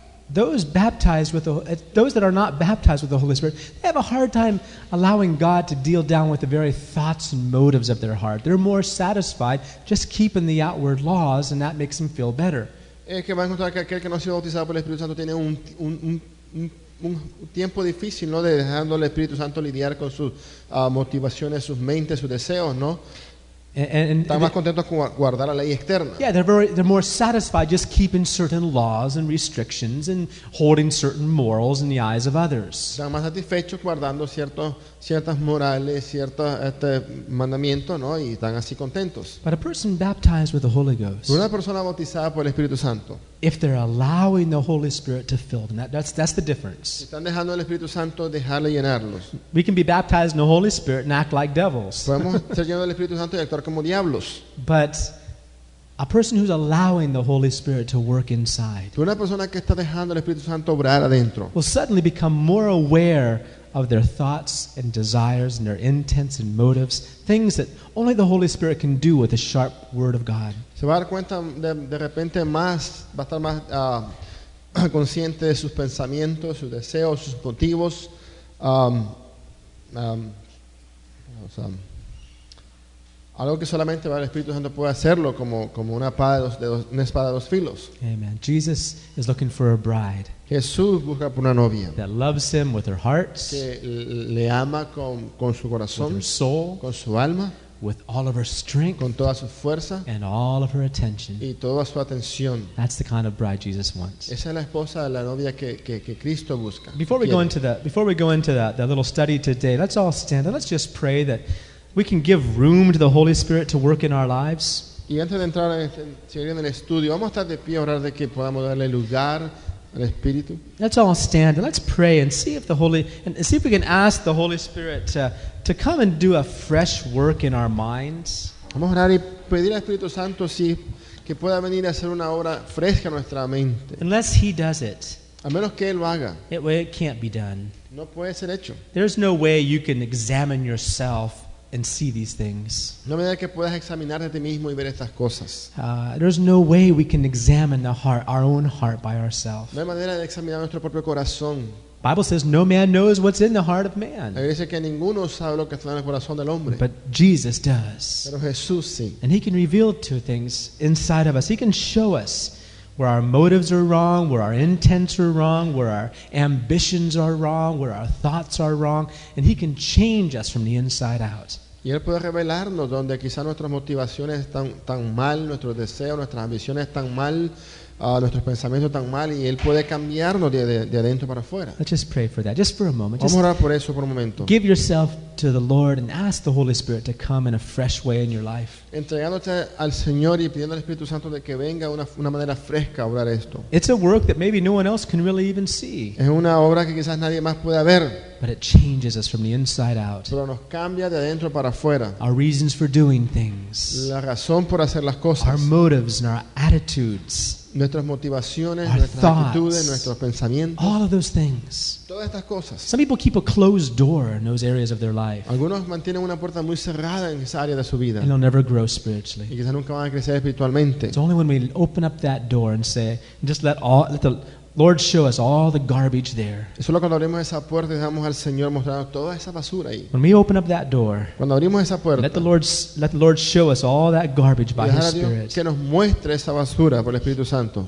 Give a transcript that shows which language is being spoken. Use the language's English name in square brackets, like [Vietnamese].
[English] Those that are not baptized with the Holy Spirit, they have a hard time allowing God to deal down with the very thoughts and motives of their heart. They're more satisfied just keeping the outward laws and that makes them feel better. [Spanish] Es que va a encontrar que aquel que no ha sido bautizado por el Espíritu Santo tiene un tiempo difícil, ¿no? De dejando al Espíritu Santo lidiar con sus motivaciones, sus mentes, sus deseos, ¿no? Están más contentos con guardar la ley externa. [English] Yeah, they're more satisfied just keeping certain laws and restrictions and holding certain morals in the eyes of others. [Spanish] Están más satisfechos guardando ciertas morales, ciertos mandamientos, ¿no? Y están así contentos. [English] But a person baptized with the Holy Ghost, [Spanish] una persona bautizada por el Espíritu Santo, [English] if they're allowing the Holy Spirit to fill them, that's the difference. [Spanish] Están dejando al Espíritu Santo dejarle llenarlos. [English] We can be baptized in the Holy Spirit and act like devils. [Spanish] Podemos ser llenos del Espíritu Santo y actuar como diablos. [English] But a person who's allowing the Holy Spirit to work inside, [Spanish] una persona que está dejando al Espíritu Santo obrar adentro, [English] will suddenly become more aware of their thoughts and desires and their intents and motives, things that only the Holy Spirit can do with the sharp word of God. [Spanish] Se va a dar cuenta de repente más, va a estar más consciente de sus pensamientos, sus deseos, sus motivos, algo que solamente el Espíritu Santo puede hacerlo como una espada de dos filos. [English] Amen. Jesus is looking for a bride. [Spanish] Jesús busca por una novia. [English] That loves him with her heart. [Spanish] Que le ama con su corazón. [English] With her soul. [Spanish] Con su alma. [English] With all of her strength. [Spanish] Con toda su fuerza. [English] And all of her attention. [Spanish] Y toda su atención. [English] That's the kind of bride Jesus wants. [Spanish] Esa es la esposa, la novia que Cristo busca. [English] Before we go into the little study today, let's all stand and let's just pray that we can give room to the Holy Spirit to work in our lives. [Spanish] Y antes de entrar en el estudio, vamos a estar de pie a orar de que podamos darle lugar al Espíritu. [English] Let's all stand and let's pray and see if we can ask the Holy Spirit to come and do a fresh work in our minds. [Spanish] Vamos a orar y pedir al Espíritu Santo si que pueda venir a hacer una obra fresca en nuestra mente. [English] Unless he does it, [Spanish] a menos que él lo haga, [English] it can't be done. [Spanish] No puede ser hecho. [English] There's no way you can examine yourself and see these things. [Spanish] No manera que puedas examinarte a ti mismo y ver estas cosas. [English] There's no way we can examine the heart, our own heart, by ourselves. [Spanish] No hay manera de examinar nuestro propio corazón. [English] Bible says no man knows what's in the heart of man. [Spanish] La Biblia dice que ninguno sabe lo que está en el corazón del hombre. [English] But Jesus does. [Spanish] Pero Jesús sí. [English] And he can reveal two things inside of us. He can show us where our motives are wrong, where our intents are wrong, where our ambitions are wrong, where our thoughts are wrong, and he can change us from the inside out. [Spanish] Y él puede revelarnos donde quizás nuestras motivaciones están tan mal, nuestros deseos, nuestras ambiciones están mal, nuestros pensamientos están mal, y él puede cambiarnos de adentro para afuera. [English] Let's just pray for that, just for a moment. [Spanish] Vamos a orar por eso por un momento. [English] Give yourself to the Lord and ask the Holy Spirit to come in a fresh way in your life. [Spanish] Entregándote al Señor y pidiendo al Espíritu Santo de que venga una manera fresca a obrar esto. [English] It's a work that maybe no one else can really even see. [Spanish] Es una obra que quizás nadie más pueda ver. [English] But it changes us from the inside out. [Spanish] Pero nos cambia de adentro para afuera. [English] Our reasons for doing things. [Spanish] La razón por hacer las cosas. [English] Our motives and our attitudes. [Spanish] Nuestras motivaciones, nuestras actitudes, nuestros pensamientos. [English] All of those things. [Spanish] Todas estas cosas. [English] Some people keep a closed door in those areas of their life. [Spanish] Algunos mantienen una puerta muy cerrada en esa área de su vida. [English] And they'll never grow spiritually. [Spanish] Y quizás nunca van a crecer espiritualmente. [English] It's only when we open up that door and say, just let the Lord show us all the garbage there. [Spanish] Solo cuando abrimos esa puerta y dejamos al Señor mostrar toda esa basura ahí. [English] When we open up that door, [Spanish] cuando abrimos esa puerta, [English] let the Lord show us all that garbage by His Spirit. [Spanish] Que nos muestre esa basura por el Espíritu Santo.